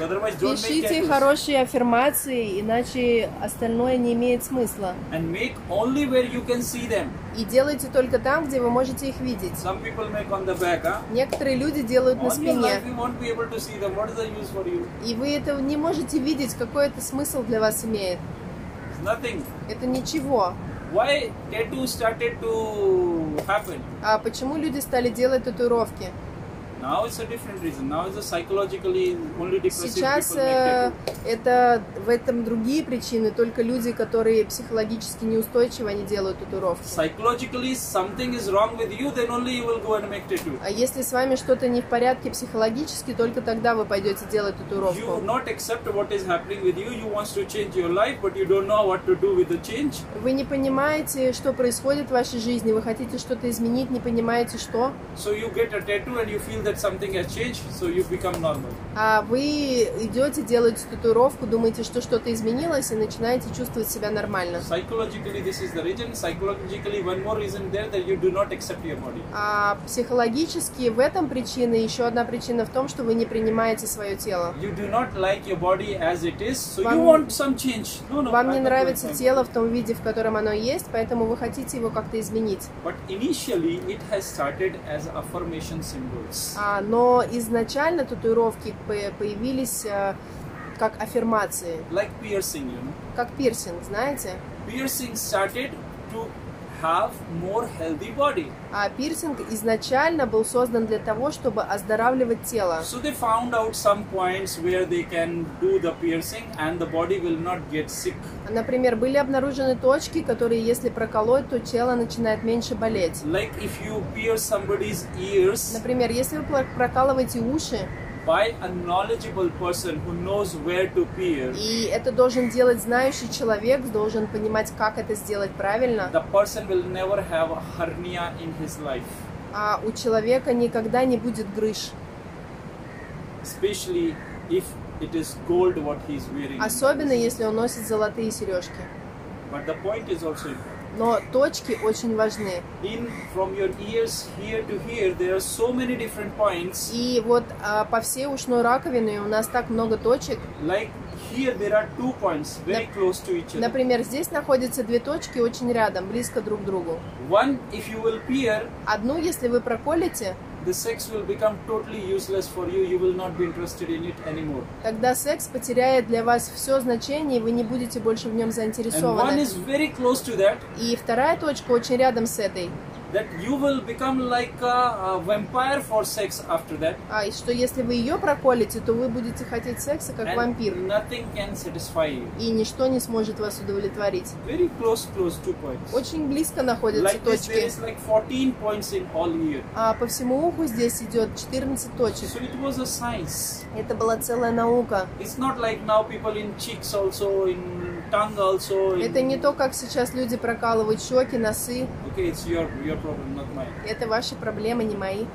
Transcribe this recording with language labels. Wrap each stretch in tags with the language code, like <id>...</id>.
<en>Otherwise, don't</en> <ru>пишите</ru> <en>make tattoos.</en> <ru>Хорошие аффирмации, иначе остальное не имеет смысла.</ru> <en>And make only where you can see them.</en> <ru>И делайте только там, где вы можете их видеть.</ru> <en>Some people make on the back, huh?</en> <ru>Некоторые люди делают</ru> <en>on</en> <ru>на спине.</ru> <en>Your life, you won't be able to see them. What is the use for you?</en> <ru>И вы это не можете видеть, какой это смысл для вас имеет.</ru> <en>It's nothing.</en> <ru>Это ничего.</ru> <en>Why tattoos started to happen?</en> <ru>А почему люди стали делать татуировки?</ru> <en>Now it's a different reason. Now it's a psychologically only depressive people.</en> <ru>Сейчас это в этом другие причины. Только люди, которые психологически неустойчивы, они делают татуировки.</ru> <en>Psychologically something is wrong with you, then only you will go and make tattoo.</en> <ru>А если с вами что-то не в порядке психологически, только тогда вы пойдете делать татуировку.</ru> <en>You not accept what is happening with you. You want to change your life, but you don't know what to do with the change.</en> <ru>Вы не понимаете, что происходит в вашей жизни. Вы хотите что-то изменить, не понимаете, что.</ru> <en>So you get a tattoo and you feel that something has changed, so you become normal.</en> <ru>А вы идете делать татуировку, думаете, что что-то изменилось, и начинаете чувствовать себя нормально.</ru> <en>Psychologically, this is the reason. Psychologically, one more reason there that you do not accept your body.</en> <ru>А психологически в этом причина, еще одна причина в том, что вы не принимаете свое тело.</ru> <en>You do not like your body as it is, so you want some change. No,</en> <ru>вам не нравится тело в том виде, в котором оно есть, поэтому вы хотите его как-то изменить.</ru> <en>But initially, it has started as affirmation symbols.</en> <ru>Но изначально татуировки появились как аффирмации.</ru> <en>Like piercing, you know?</en> <ru>Как пирсинг, знаете?</ru> <en>Piercing started to have more healthy body.</en> <ru>А пирсинг изначально был создан для того, чтобы оздоравливать тело.</ru> <en>So they found out some points where they can do the piercing and the body will not get sick.</en> <ru>Например, были обнаружены точки, которые если проколоть, то тело начинает меньше болеть.</ru> <en>Like if you pierce somebody's ears.</en> <ru>Например, если вы прокалываете уши.</ru> <en>By a knowledgeable person who knows where to pierce.</en> <ru>И это должен делать знающий человек, должен понимать, как это сделать правильно.</ru> <en>The person will never have a hernia in his life.</en> <ru>А у человека никогда не будет грыж.</ru> <en>Especially if it is gold what he is wearing.</en> <ru>Особенно если он носит золотые сережки.</ru> <en>But the point is also important.</en> <ru>Но точки очень важны.</ru> <en>In, from your ears here to here, there are so many different points.</en> <ru>И вот по всей ушной раковине у нас так много точек.</ru> <en>Like here there are two points very close to each other.</en> <ru>Например, здесь находятся две точки очень рядом, близко друг к другу.</ru> <en>One, if you will peer.</en> <ru>Одну, если вы проколете.</ru> <en>The sex will become totally useless for you. You will not be interested in it anymore.</en> <ru>Тогда секс потеряет для вас все значение, и вы не будете больше в нем заинтересованы.</ru> <en>And one is very close to that.</en> <ru>И вторая точка очень рядом с этой.</ru> <en>that you will become like a vampire for sex after that.</en> <ru>А и что если вы ее проколите, то вы будете хотеть секса как вампир.</ru> <en>And nothing can satisfy you.</en> <ru>И ничто не сможет вас удовлетворить.</ru> <en>Very close two points.</en> <ru>Очень близко находятся</ru> <en>like</en> <ru>точки.</ru> <en>Like this, there is like 14 points in all year.</en> <ru>А по всему уху здесь идет 14 точек.</ru> <en>So it was a science.</en> <ru>Это была целая наука.</ru> <en>It's not like now people in cheeks also in tongue also.</en> <ru>Это не то, как сейчас люди прокалывают щеки, носы.</ru> <en>Okay, it's your problem, not mine.</en> <ru>Это ваши проблемы, не мои.</ru>